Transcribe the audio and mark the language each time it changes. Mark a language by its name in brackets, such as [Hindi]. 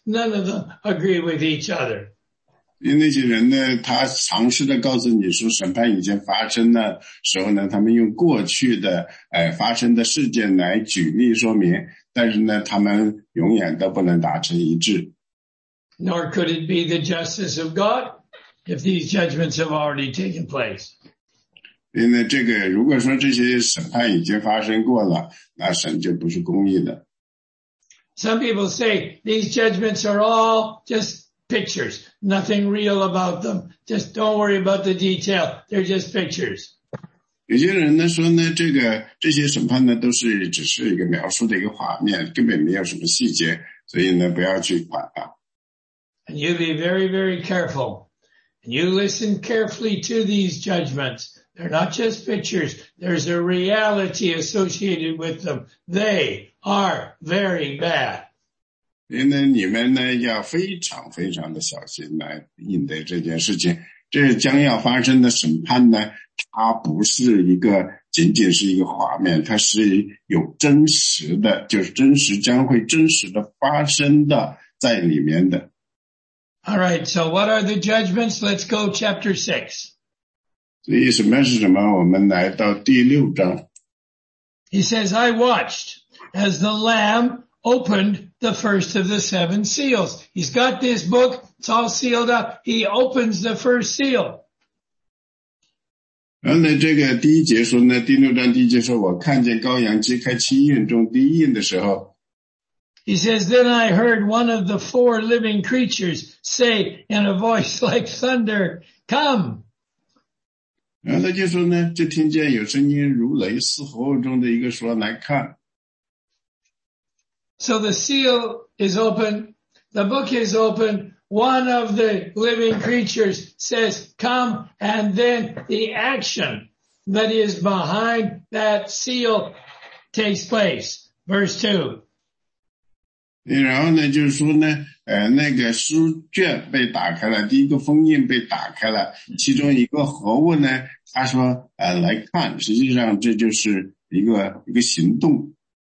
[English] None of them agree with each other. [Chinese] 因为那些人呢，他尝试的告诉你说审判已经发生的时候呢，他们用过去的发生的事件来举例说明，但是呢，他们永远都不能达成一致。 [English] Nor could it be the justice of God if these judgments have already taken place. [Chinese] 因为这个，如果说这些审判已经发生过了，那神就不是公义的。 [English] Some people say these judgments are all just. Pictures, nothing real about them. Just don't worry about the detail. They're just pictures. [Chinese] 有些人呢说呢，这些审判呢都是只是一个描述的一个画面，根本没有什么细节，所以呢不要去管它。 [English] And you be very, very careful. And you listen carefully to these judgments. They're not just pictures. There's a reality associated with them. They are very bad. [Chinese] 因为你们呢要非常非常的小心来应对这件事情，这将要发生的审判呢，它不是一个仅仅是一个画面，它是有真实的，就是真实将会真实的发生的在里面的。 [English] All right, so what are the judgments? Let's go chapter 6. [Chinese] 所以审判是什么？我们来到第六章。 [English] He says, I watched as the Lamb opened the first of the seven seals. He's got this book, it's all sealed up. He opens the first seal. [Chinese] 然后呢，这个第一节说呢，第六章第一节说，我看见羔羊揭开七印中第一印的时候。 [English] He says, then I heard one of the four living creatures say in a voice like thunder, come. [Chinese] 然后他就说呢，就听见有声音如雷，似火中的一个说来看。 [English] So the seal is open, the book is open, one of the living creatures says, come, and then the action that is behind that seal takes place. Verse 2. [Chinese] 然后呢，就是说呢，那个书卷被打开了，第一个封印被打开了，其中一个活物呢，他说，来看，实际上这就是一个行动。